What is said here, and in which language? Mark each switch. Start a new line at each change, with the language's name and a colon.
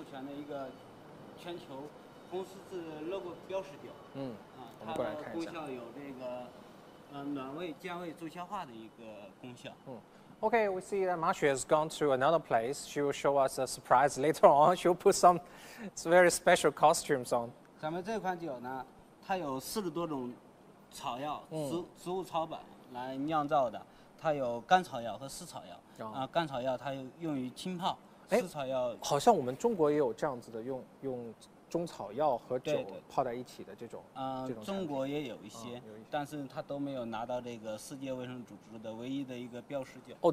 Chinese: 你们这边还有一些很出名的药酒，是不是？很出名的，对，有一款那个在世界卫生组织授权的一个全球公司的 logo 标识酒。它的功效有这个暖胃、健胃、助消化的一个功效。
English: OK, we see that Marsha has gone to another place. She will show us a surprise later on. She'll put some very special costumes on.
Chinese: 咱们这款酒呢，它有40多种草药，植物草本来酿造的。它有甘草药和湿草药。甘草药它用于浸泡，湿草药好像我们中国也有这样子的，用中草药和酒泡在一起的这种。中国也有一些，但是它都没有拿到这个世界卫生组织的唯一的一个标识酒。